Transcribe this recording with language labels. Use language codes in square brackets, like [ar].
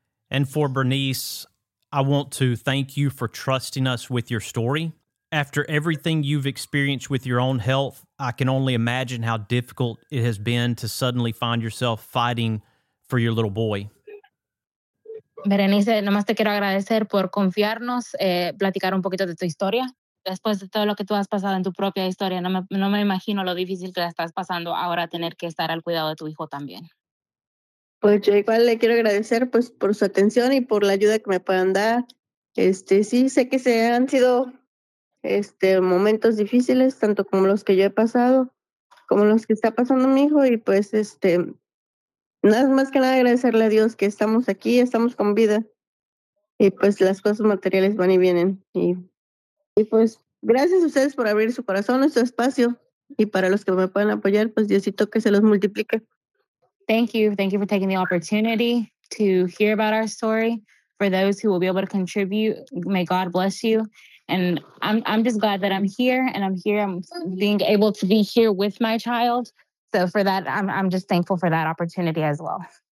[en] And for Bernice, I want to thank you for trusting us with your story. After everything you've experienced with your own health, I can only imagine how difficult it has been to suddenly find yourself fighting for your little boy. [es] Berenice, nomás te quiero agradecer por confiarnos, platicar un poquito de tu historia. Después de todo lo que tú has pasado en tu propia historia, no me imagino lo difícil que la estás pasando ahora, tener que estar al cuidado de tu hijo también. Pues yo igual le quiero agradecer pues por su atención y por la ayuda que me puedan dar. Sí, sé que se han sido momentos difíciles, tanto como los que yo he pasado, como los que está pasando mi hijo, y pues nada más que nada agradecerle a Dios que estamos aquí, estamos con vida, y pues las cosas materiales van y vienen, y pues gracias a ustedes por abrir su corazón, su espacio, y para los que me puedan apoyar, pues Diosito que se los multiplique. [en] Thank you for taking the opportunity to hear about our story. For those who will be able to contribute, may God bless you. And I'm just glad that I'm here, and I'm here. I'm being able to be here with my child. So for that, I'm just thankful for that opportunity as well.